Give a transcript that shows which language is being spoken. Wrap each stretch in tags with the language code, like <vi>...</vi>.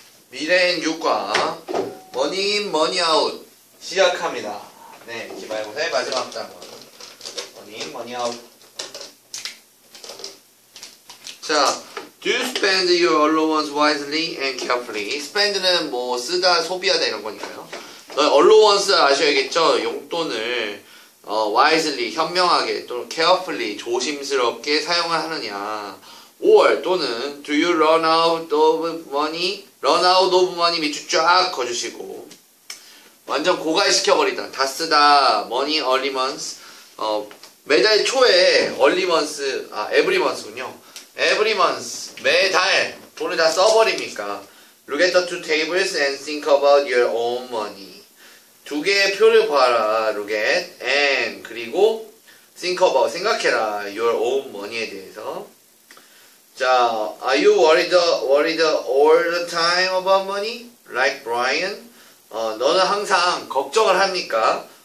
<ko>미래엔 유과 머니인 머니아웃 시작합니다. 네, 기말고사의 마지막 단원 머니인 머니아웃.</ko> <en>자, Do you spend your allowance wisely and carefully?</en> <ko>Spend는 뭐 쓰다 소비하다 이런 거니까요. 너 allowance 아셔야겠죠? 용돈을 wisely 현명하게 또는 carefully 조심스럽게 사용을 하느냐.</ko> <en>Or 또는 Do you run out of money?</en> <ko>Run out of money 밑줄 쫙 거주시고 완전 고갈시켜버리다 다 쓰다 money early months 매달 초에 early months 아 every month 군요 every month 매달 돈을 다 써버립니까?</ko> <en>Look at the two tables and think about your own money.</en> <ko>두 개의 표를 봐라. Look at and 그리고 think about 생각해라 your own money 에 대해서.</ko> <en>자, are you worried all the time about money? Like Brian?</en> <ko>너는 항상 걱정을 합니까?</ko>